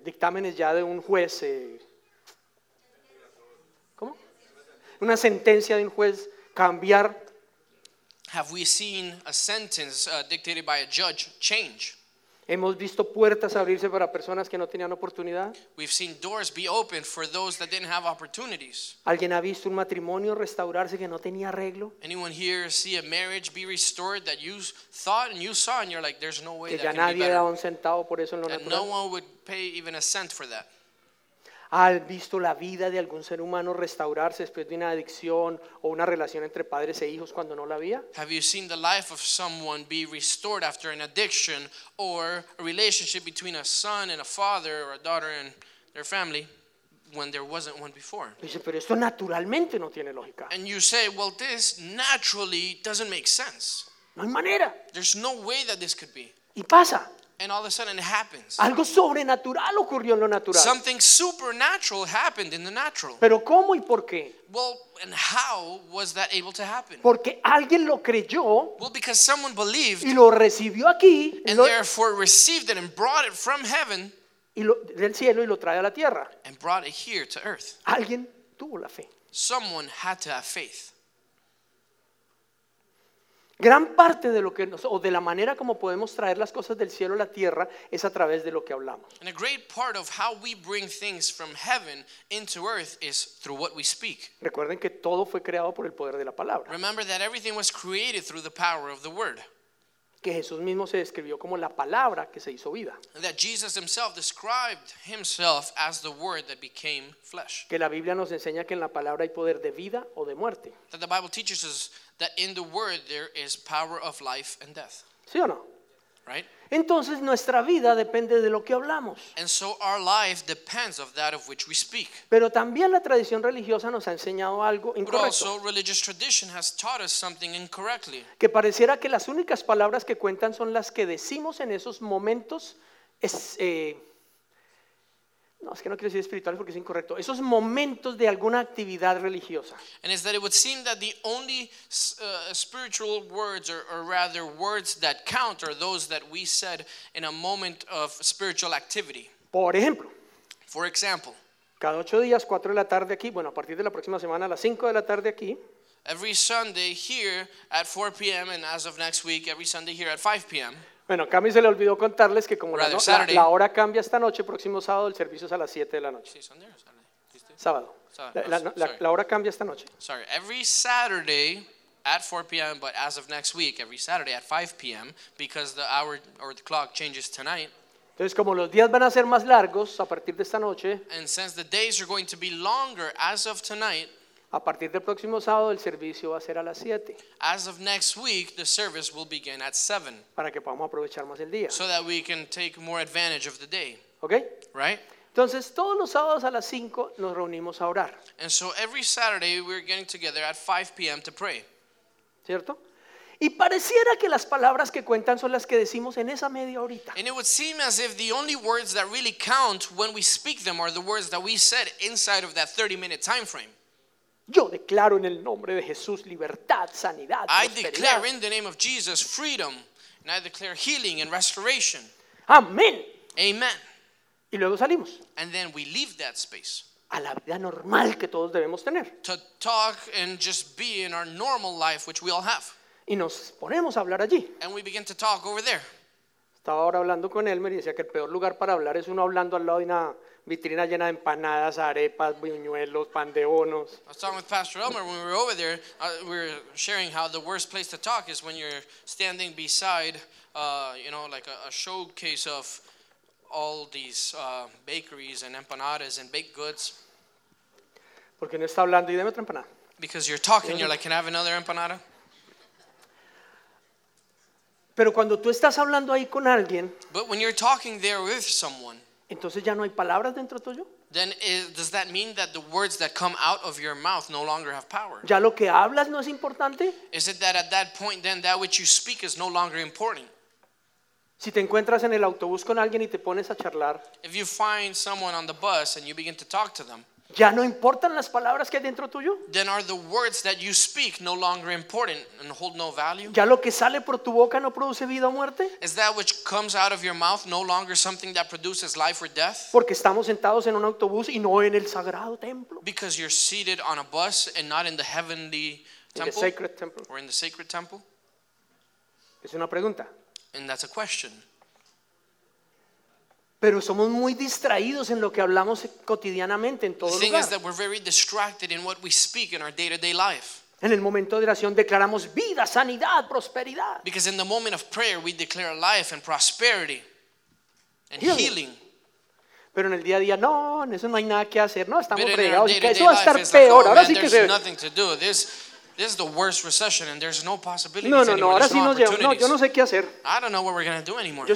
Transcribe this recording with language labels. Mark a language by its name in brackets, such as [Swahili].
[Spanish] Dictámenes ya de un juez ¿cómo? Una sentencia de un juez cambiar. [English] Have we seen a sentence dictated by a judge change? [Spanish] Hemos visto puertas abrirse para personas que no tenían oportunidad. [English] We've seen doors be open for those that didn't have opportunities. [Spanish] ¿Alguien ha visto un matrimonio restaurarse que no tenía arreglo? [English] Anyone here see a marriage be restored that you thought and you saw and you're like, there's no way [Spanish] que [English] that [Spanish] ya nadie [English] be [Spanish] da un centavo por eso en lo [English] and [Spanish] natural. [English] No one would pay even a cent for that. [Spanish] ¿Has visto la vida de algún ser humano restaurarse después de una adicción o una relación entre padres e hijos cuando no la había? [English] Have you seen the life of someone be restored after an addiction or a relationship between a son and a father or a daughter and their family when there wasn't one before? [Spanish] Dice, pero esto naturalmente no tiene lógica. [English] And you say, well, this naturally doesn't make sense. [Spanish] No hay manera. [English] There's no way that this could be. [Spanish] Y pasa. [English] And all of a sudden it happens. [Spanish] Algo sobrenatural ocurrió en lo natural. [English] Something supernatural happened in the natural. [Spanish] Pero ¿cómo y por qué? [English] Well, and how was that able to happen? [Spanish] Porque alguien lo creyó. [English] Well, because someone believed. [Spanish] Y lo recibió aquí. [English] And therefore received it and brought it from heaven. [Spanish] Y lo, del cielo y lo trae a la tierra. [English] And brought it here to earth. [Spanish] Alguien tuvo la fe. [English] Someone had to have faith. [Spanish] Gran parte de lo que nos, o de la manera como podemos traer las cosas del cielo a la tierra es a través de lo que hablamos. [English] And a great part of how we bring things from heaven into earth is through what we speak. [Spanish] Recuerden que todo fue creado por el poder de la palabra. [English] Remember that everything was created through the power of the word. [Spanish] Que Jesús mismo se describió como la palabra que se hizo vida. [English] That Jesus himself described himself as the word that became flesh. [Spanish] Que la Biblia nos enseña que en la palabra hay poder de vida o de muerte. [English] That the Bible teaches us that in the word there is power of life and death. [Spanish] ¿Sí o no? [English] Right? [Spanish] Entonces nuestra vida depende de lo que hablamos. [English] And so our life depends of that of which we speak. [Spanish] Pero también la tradición religiosa nos ha enseñado algo incorrecto. [English] But also religious tradition has taught us something incorrectly. [Spanish] Que pareciera que las únicas palabras que cuentan son las que decimos en esos momentos No, es que no quiero decir espiritual porque es incorrecto. Esos momentos de alguna actividad religiosa. [English] And it's that it would seem that the only spiritual words or rather words that count are those that we said in a moment of spiritual activity. [Spanish] Por ejemplo. [English] For example. [Spanish] Cada 8 días, 4 de la tarde aquí. Bueno, a partir de la próxima semana, a las 5 de la tarde aquí. [English] Every Sunday here at 4 p.m. and as of next week, every Sunday here at 5 p.m. [Spanish] Bueno, Cami se le olvidó contarles que como la hora cambia esta noche, próximo sábado el servicio es a las 7 de la noche. [English] Sí, Sunday, Saturday. [Spanish] Sábado. La hora cambia esta noche. [English] Sorry, every Saturday at 4 p.m., but as of next week, every Saturday at 5 p.m., because the hour or the clock changes tonight. [Spanish] Entonces, como los días van a ser más largos a partir de esta noche. [English] And since the days are going to be longer as of tonight. [Spanish] A partir del próximo sábado el servicio va a ser a las 7. [English] As of next week the service will begin at 7. [Spanish] Para que podamos aprovechar más el día. [English] So that we can take more advantage of the day. [Spanish] ¿Okay? [English] Right? [Spanish] Entonces todos los sábados a las 5 nos reunimos a orar. [English] And so every Saturday we're getting together at 5 p.m. to pray. [Spanish] ¿Cierto? Y pareciera que las palabras que cuentan son las que decimos en esa media horita. [English] And it would seem as if the only words that really count when we speak them are the words that we said inside of that 30 minute time frame. [Spanish] Yo declaro en el nombre de Jesús libertad, sanidad, [English] I declare in the name of Jesus freedom, and I declare healing and restoration. [Spanish] Amén. [English] Amen. [Spanish] Y luego salimos. [English] And then we leave that space. [Spanish] A la vida normal que todos debemos tener. [English] To talk and just be in our normal life, which we all have. [Spanish] Y nos ponemos a hablar allí. [English] And we begin to talk over there. [Spanish] Estaba ahora hablando con Elmer y decía que el peor lugar para hablar es uno hablando al lado de una vitrina llena de empanadas, arepas, buñuelos, pan de bonos. [English] I was talking with Pastor Elmer when we were over there. We were sharing how the worst place to talk is when you're standing beside, like a showcase of all these bakeries and empanadas and baked goods. [Spanish] Porque no está hablando y dame otra empanada. [English] Because you're talking, you're like, can I have another empanada? [Spanish] Pero cuando tú estás hablando ahí con alguien, [English] but when you're talking there with someone, [Spanish] entonces ya no hay palabras dentro tuyo. [English] Then does that mean that the words that come out of your mouth no longer have power? [Spanish] Ya lo que hablas no es importante. [English] Is it that at that point then that which you speak is no longer important? [Spanish] Si te encuentras en el autobús con alguien y te pones a charlar, [English] if you find someone on the bus and you begin to talk to them, [Spanish] ya no importan las palabras que hay dentro tuyo. [English] Then are the words that you speak no longer important and hold no value? [Spanish] Ya lo que sale por tu boca no produce vida o muerte. [English] Is that which comes out of your mouth no longer something that produces life or death? [Spanish] Porque estamos sentados en un autobús y no en el sagrado templo. [English] Because you're seated on a bus and not in the heavenly temple. In the sacred temple. Or in the sacred temple. [Spanish] Es una pregunta. [English] And that's a question. [Spanish] Pero somos muy distraídos en lo que hablamos cotidianamente en todo lugar. [English] The thing is that we're very distracted in what we speak in our day-to-day life. [Spanish] En el momento de oración declaramos vida, sanidad, prosperidad. [English] Because in the moment of prayer we declare life and prosperity and healing. [Spanish] Pero en el día a día no, en eso no hay nada que hacer. No, estamos fregados. Eso va a estar peor. Ahora sí que [English] there's nothing to do. This is the worst recession and there's no possibility. [Spanish] No, no, [English] anymore. [Spanish] No, ahora sí no llevo. No, yo no sé qué hacer. [English] I don't know what we're going to do anymore.